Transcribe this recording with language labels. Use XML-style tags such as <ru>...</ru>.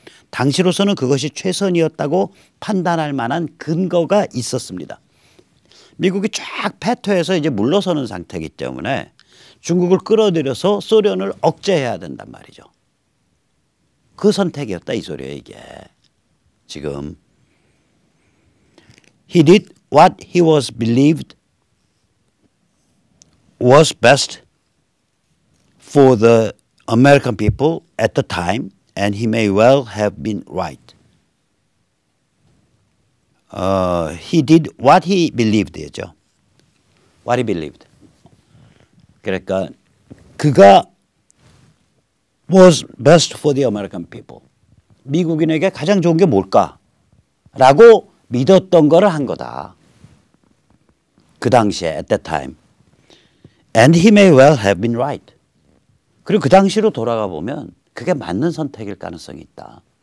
<ko>당시로서는 그것이 최선이었다고 판단할 만한 근거가 있었습니다. 미국이 쫙 패퇴해서 이제 물러서는 상태이기 때문에 중국을 끌어들여서 소련을 억제해야 된단 말이죠. 그 선택이었다 이 소리예요 이게.</ko> <en>지금 He did what he was believed was best for the American people at the time and he may well have been right. He did what he believed. What he believed.</en> <ko>그러니까 그가</ko> <en>was best for the American people.</en> <ko>미국인에게 가장 좋은 게 뭘까? 라고 믿었던 거를 한 거다. 그 당시에</ko> <en>at that time. And he may well have been right.</en> <ko>그리고 그 당시로 돌아가 보면 그게 맞는 선택일 가능성이 있다.</ko>